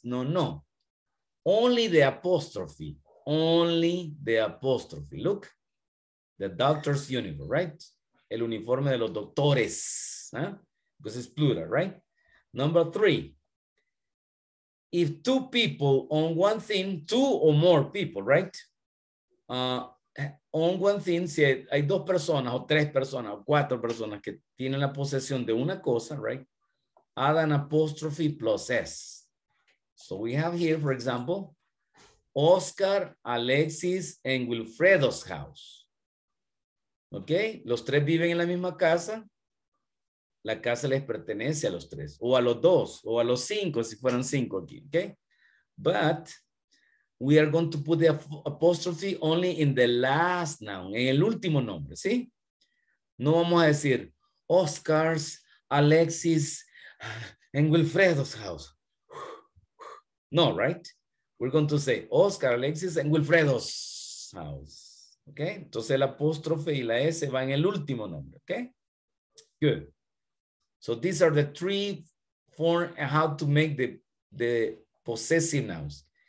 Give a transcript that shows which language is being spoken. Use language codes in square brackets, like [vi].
[en] No, no. Only the apostrophe. Only the apostrophe. Look, the doctor's uniform, right? [es] El uniforme de los doctores. [en] Huh? Because it's plural, right? Number three. If two people own one thing, two or more people, right? Own one thing, [es] si hay dos personas o tres personas o cuatro personas que tienen la posesión de una cosa, [en] right? Add an apostrophe plus S. So we have here, for example, Oscar, Alexis, and Wilfredo's house. Okay? [es] Los tres viven en la misma casa. La casa les pertenece a los tres. O a los dos. O a los cinco, si fueran cinco aquí. [en] Okay? But we are going to put the apostrophe only in the last noun, [es] en el último nombre, ¿sí? No vamos a decir [en] Oscar's, Alexis, and Wilfredo's house. [es] No, right? [en] We're going to say Oscar, Alexis, and Wilfredo's house. Okay? [es] Entonces el apóstrofe y la S va en el último nombre. [en] Okay? Good. So these are the three forms and how to make the possessive nouns.